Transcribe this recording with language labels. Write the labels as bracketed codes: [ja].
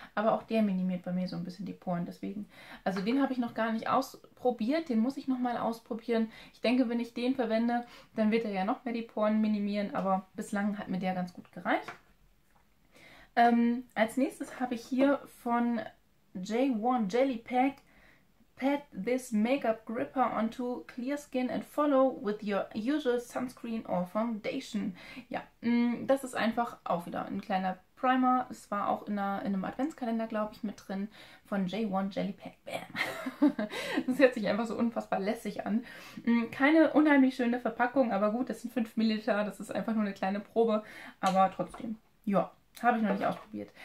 [de] Aber auch der minimiert bei mir so ein bisschen die Poren. Deswegen, also den habe ich noch gar nicht ausprobiert. Den muss ich nochmal ausprobieren. Ich denke, wenn ich den verwende, dann wird er ja noch mehr die Poren minimieren. Aber bislang hat mir der ganz gut gereicht. Als nächstes habe ich hier von J1 Jelly Pack. [en] Pat this makeup gripper onto clear skin and follow with your usual sunscreen or foundation. [de] Ja, das ist einfach auch wieder ein kleiner Primer. Es war auch in einem Adventskalender, glaube ich, mit drin von J1 Jelly Pack. Bam! Das hört sich einfach so unfassbar lässig an. Keine unheimlich schöne Verpackung, aber gut, das sind 5 Milliliter. Das ist einfach nur eine kleine Probe, aber trotzdem, ja. Habe ich noch nicht ausprobiert.